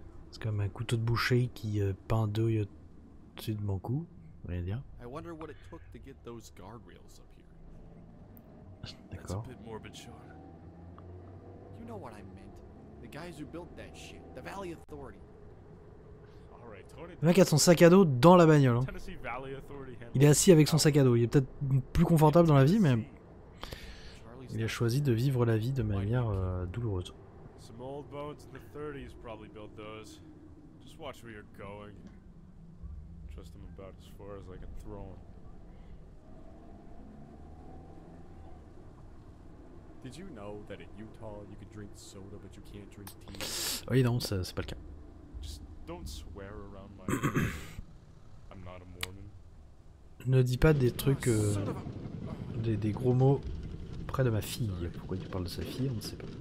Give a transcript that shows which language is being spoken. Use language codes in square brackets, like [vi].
[fr] C'est comme un couteau de boucher qui pend deux au-dessus de mon cou. Rien dire. [en] I wonder what it took to get those guardrails up here. [fr] D'accord. [en] That's a bit morbid, Sean. You know what I meant. The guys who built that shit, the Valley Authority. All right, [fr] le mec a son sac à dos dans la bagnole. Hein. Il est assis avec son sac à dos. Il est peut-être plus confortable dans la vie, mais. Il a choisi de vivre la vie de manière douloureuse. [en] Some old bones in the 30s probably built those. Just watch where you're going. Trust them about as far as I can throw them. Did you know that in Utah you can drink soda but you can't drink tea? [fr] Oui, non, c'est pas le cas. [en] Just don't swear around my I'm not a Mormon. [fr] Ne dis pas des trucs des gros mots près de ma fille. Pourquoi tu parles de sa fille, on ne sait pas.